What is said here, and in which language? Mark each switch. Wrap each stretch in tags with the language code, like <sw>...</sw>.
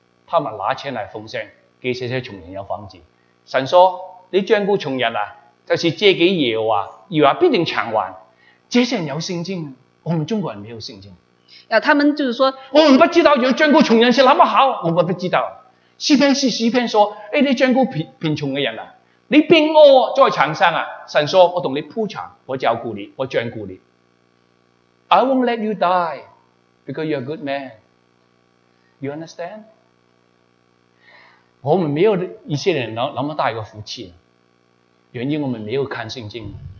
<zh>他们拿钱来奉献给这些穷人有房子。神说你眷顾穷人啊，就是借给耶和华，耶和华必定偿还。这些人有圣经，我们中国人没有圣经啊。他们就是说我们不知道要眷顾穷人是那么好，我们不知道。诗篇是诗篇说，哎，你眷顾 贫穷的人啊，你边屙在墙上啊？神说：我同你铺墙，我照顾你，我眷顾你。</zh> <en>I won't let you die because you're a good man. You understand？</en> <zh>我们没有一些人那么大一个福气，原因我们没有看圣经。</zh>